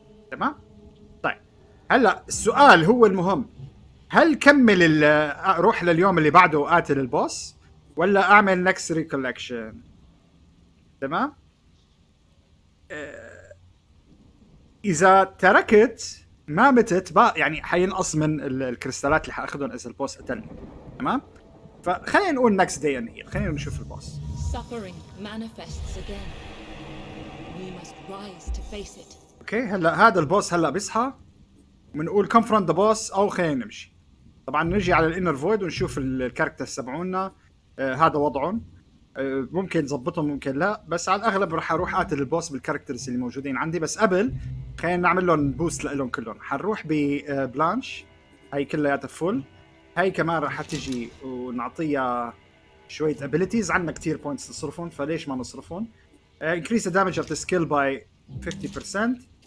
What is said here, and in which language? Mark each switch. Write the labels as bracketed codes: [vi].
[ar] تمام؟ طيب هلأ السؤال هو المهم، هل كمل اروح لليوم اللي بعده وقاتل البوس ولا اعمل [en] next recollection؟ [ar] تمام؟ اذا تركت ما متت بقى يعني حينقص من الكريستالات اللي حاخدهم اذا البوس قتل. تمام؟ فخلينا نقول [en] next day and heal. [ar] خلينا نشوف الباص. [en] Suffering manifests again. We must rise to face it. Okay. [ar] هلا هذا الباص هلا بيصحى. منقول [en] confront the boss [ar] أو خلينا نمشي. طبعا نجي على الانر فويد ونشوف الكاركتر سبعونا. هذا وضعهم. ممكن نظبطهم ممكن لا. بس على الأغلب رح أروح قاتل الباص بالكاركترز اللي موجودين عندي. بس قبل خلينا نعمل لهم بوست لهم كلهم. حنروح ببلانش. هاي كلها يتفول. هاي كمان راح تجي ونعطيها شوية abilities. عندنا كتير points نصرفهم فليش ما نصرفهم. [en] increase the damage of the skill by 50%.